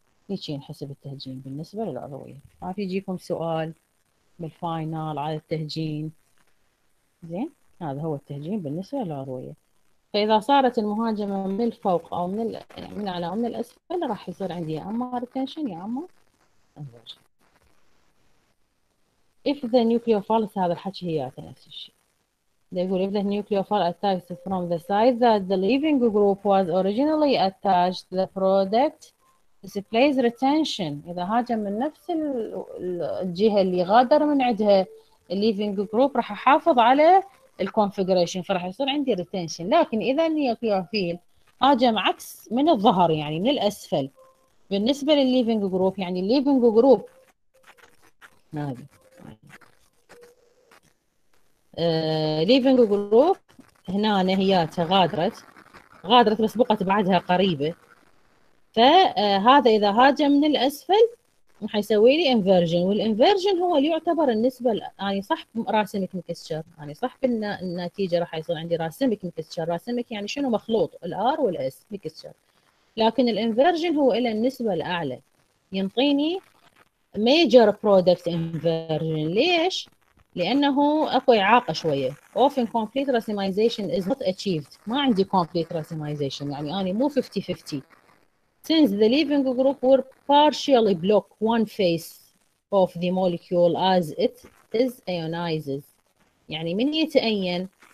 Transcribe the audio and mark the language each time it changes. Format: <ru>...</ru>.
<ar>هيجي نحسب التهجين بالنسبة للعضوية. ما في يجيكم سؤال بالفاينال على التهجين زين، هذا هو التهجين بالنسبة للعضوية. فإذا صارت المهاجمة من الفوق أو من من على أو من الأسفل راح يصير عندي يا أما ريتنشن يا أما انفرجن.</ar> <en>If the nucleophile،</en> <ar>هذا الحكي هي نفس الشيء.</ar> <en>يقول if the nucleophile attached from the side that the leaving group was originally attached the product displays retention.</en> <ar>إذا هاجم من نفس الجهة اللي غادر من عندها</ar> <en>leaving group</en> <ar>راح أحافظ على الكونفيجريشن فراح يصير عندي ريتنشن. لكن اذا النيوكليوفيل هاجم عكس من الظهر يعني من الاسفل بالنسبه للليفنج جروب، يعني الليفنج جروب هذه ليفنج جروب هنا هي تغادرت غادرت بس بقت بعدها قريبه، فهذا اذا هاجم من الاسفل راح يسوي لي انفرجن، والانفرجن هو اللي يعتبر النسبه يعني صح راسمك مكستشر، يعني صح بالنتيجه راح يصير عندي راسمك مكستشر، راسمك يعني شنو مخلوط الار والاس مكستشر، لكن الانفرجن هو الى النسبه الاعلى ينطيني ميجر برودكت انفرجن. ليش؟ لانه اكو اعاقه شويه،</ar> <en>often complete racemization is not achieved,</en> <ar>ما عندي كومبليت راسمايزيشن يعني انا مو 50-50.</ar> <en>Since the leaving group were partially block one face of the molecule as it is ionizes.</en> <ar>يعني من يتأين</ar>